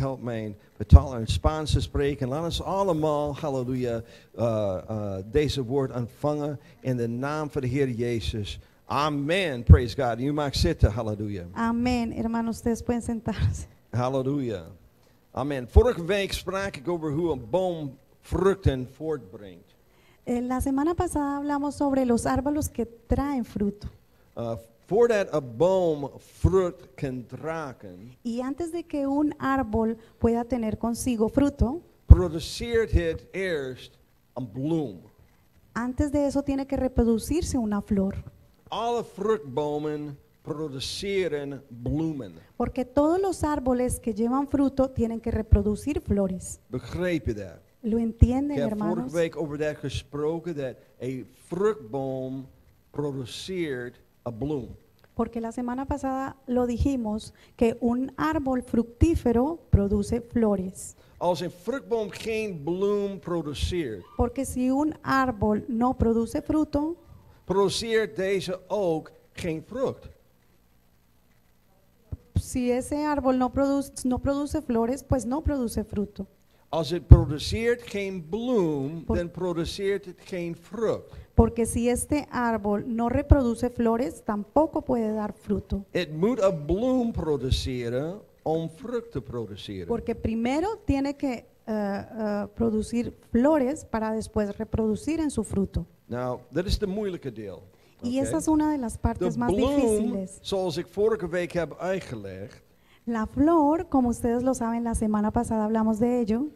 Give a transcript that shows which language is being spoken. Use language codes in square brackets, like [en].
[nl] Help mij in vertalen in Spaans te spreken. Laat ons allemaal, halleluja, deze woord ontvangen in de naam van de Heer Jezus. [en] Amen. Praise God. You [nl] mag zitten. [en] Hallelujah. [es] Amen. Hermano, ustedes pueden sentarse. Hallelujah. Amen. [nl] Vorige week sprak ik over hoe een boom vruchten voortbrengt. [es] La semana pasada hablamos sobre los árboles que traen fruto. [nl] Voordat een boom vrucht kan dragen. [es] Y antes de que un árbol pueda tener consigo fruto. [nl] Produceert het eerst een bloem. [es] Antes de eso tiene que reproducirse una flor. [nl] Alle vruchtbomen produceren bloemen. [es] Porque todos los árboles que llevan fruto tienen que reproducir flores. [nl] Begrijp je dat? [es] Lo entienden, hermanos? [nl] Ik heb vorige week over dat gesproken, dat een vruchtboom produceert een bloem. [es] Porque la semana pasada lo dijimos, que un árbol fructífero produce flores. [nl] Als een vruchtboom geen bloem produceert. [es] Porque si un árbol no produce fruto, [nl] produceert deze ook geen vrucht. [es] Si ese árbol no produce flores, pues no produce fruto. [nl] Als het produceert geen bloem, dan produceert het geen vrucht. [es] Porque si este árbol no reproduce flores, tampoco puede dar fruto. [nl] Het moet een bloem produceren om vrucht te produceren. [es] Porque primero tiene que producir flores para después reproducir en su fruto. [nl] Nou, dat is de moeilijke deel. [es] Y esa es una de las partes más difíciles. [nl] Zoals ik vorige week heb uitgelegd. [es] La flor, como ustedes lo saben, la semana pasada hablamos de ello.